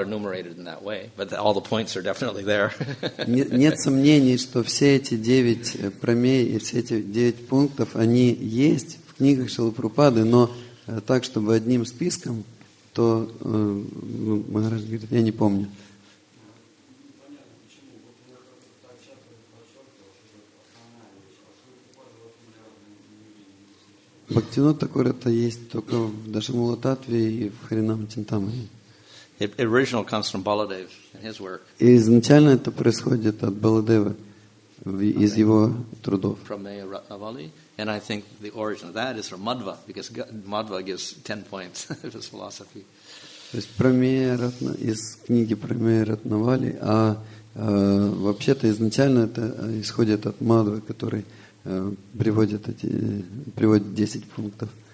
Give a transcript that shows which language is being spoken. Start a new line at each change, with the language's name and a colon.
English: enumerated in that way, but all the points are definitely there.
Russian: Нет сомнений, что все эти девять промей и все эти девять пунктов они есть. В книгах Шрилы Прабхупады, но так, чтобы одним списком, то Махарадж говорит, я не помню. Бхактивинода Такура это есть только в Дашамула Таттве и в Харинам Чинтамани.
English: Original comes from Baladev and his work.
Russian: И изначально это происходит от Баладева. Из его трудов.
English: From Maya Ratnavali, and I think the origin of that is from Madhva, because Madhva gives 10 points of his philosophy.
Russian: То есть Прамея Ратна из книги Прамея Ратнавали, а вообще-то изначально это исходит от Мадвы, который приводит 10 пунктов.